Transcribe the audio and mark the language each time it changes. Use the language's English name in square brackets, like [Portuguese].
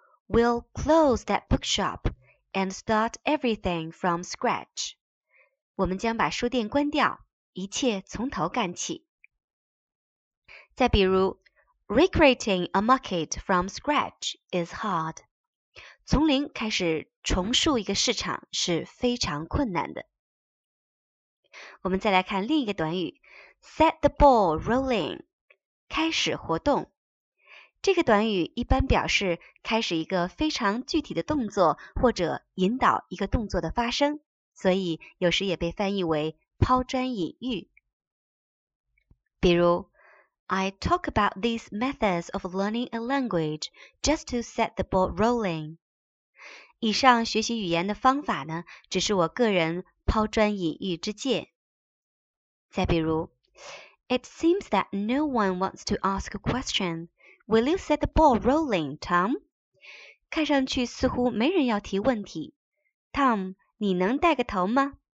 [English] We'll close that bookshop and start everything from scratch. [Chinese] 我们将把书店关掉，一切从头干起。再比如 [English] ,recreating a market from scratch is hard. [Chinese] 从零开始重塑一个市场是非常困难的。我们再来看另一个短语 , [English] set the ball rolling, [Chinese] 开始活动。这个短语一般表示开始一个非常具体的动作或者引导一个动作的发生，所以有时也被翻译为抛砖引玉。比如 [English] I talk about these methods of learning a language just to set the ball rolling. [Chinese] 以上学习语言的方法呢，只是我个人抛砖引玉之见。再比如 [English] It seems that no one wants to ask a question. Will you set the ball rolling, Tom? [Chinese] 看上去似乎没人要提问题。Tom, 你能带个头吗？